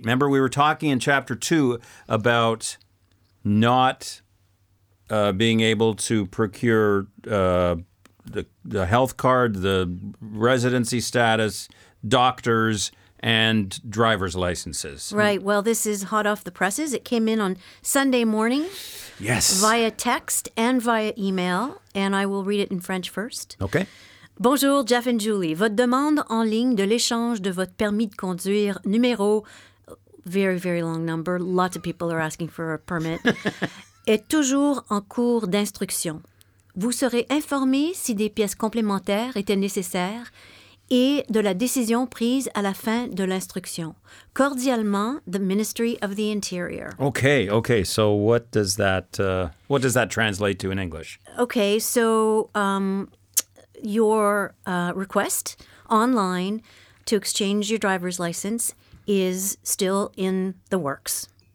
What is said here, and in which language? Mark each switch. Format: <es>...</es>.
<en>Remember, we were talking in chapter two about not being able to procure the health card, the residency status, doctors, and driver's licenses. Right. Well, this is hot off the presses. It came in on Sunday morning. Yes. Via text and via email. And I will read it in French first. Okay.</en> <fr>Bonjour, Jeff and Julie. Votre demande en ligne de l'échange de votre permis de conduire numéro,</fr> <en>very, very long number. Lots of people are asking for a permit.</en> <fr>est toujours en cours d'instruction. Vous serez informé si des pièces complémentaires étaient nécessaires et de la décision prise à la fin de l'instruction. Cordialement,</fr> <en>the Ministry of the Interior. Okay, okay. So what does that translate to in English? Okay, so your request online to exchange your driver's license is still in the works.</en>